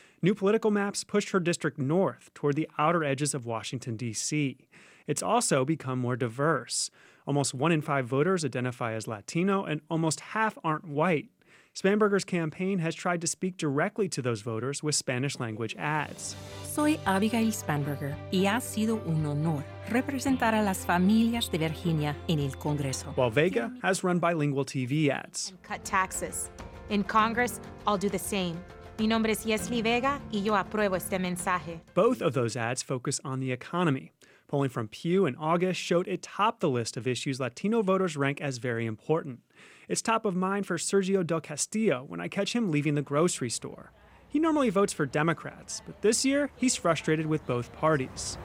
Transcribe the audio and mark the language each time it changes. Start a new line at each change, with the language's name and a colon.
English: New political maps pushed her district north toward the outer edges of Washington, D.C. It's also become more diverse. Almost one in five voters identify as Latino, and almost half aren't white. Spanberger's campaign has tried to speak directly to those voters with Spanish-language ads.
Spanish: Soy Abigail Spanberger, y ha sido un honor representar a las familias de Virginia en el Congreso.
English: While Vega has run bilingual TV ads. And cut taxes. In Congress, I'll do the same.
Spanish: Mi nombre es Yesli Vega, y yo apruebo este mensaje.
English: Both of those ads focus on the economy. Polling from Pew in August showed it topped the list of issues Latino voters rank as very important. It's top of mind for Sergio Del Castillo when I catch him leaving the grocery store. He normally votes for Democrats, but this year he's frustrated with both parties.